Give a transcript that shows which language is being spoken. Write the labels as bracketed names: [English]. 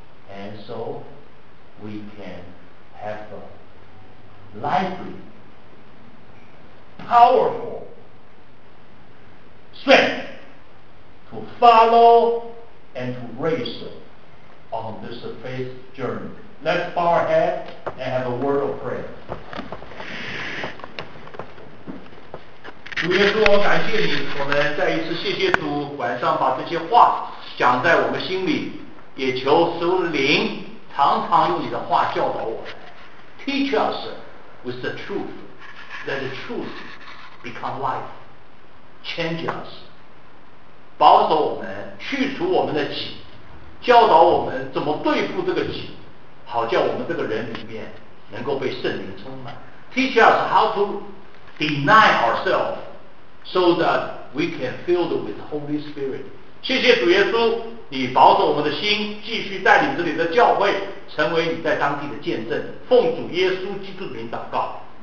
[English] And so we can have a lively, powerful strength to follow and to race on this faith journey. Let's bow our head and have a word of prayer. [Chinese] 主耶稣，我感谢你，我们再一次谢谢主，晚上把这些话讲在我们心里，也求属灵常常用你的话教导我们。 [English] Teach us with the truth, let the truth become life. Change us. [Chinese] 保守我们，去除我们的己，教导我们怎么对付这个己，好叫我们这个人里面能够被圣灵充满。 [English] Teach us how to deny ourselves so that we can fill it with the Holy Spirit. [Chinese] 谢谢主耶稣，你保守我们的心，继续带领这里的教会成为你在当地的见证。奉主耶稣基督的名祷告。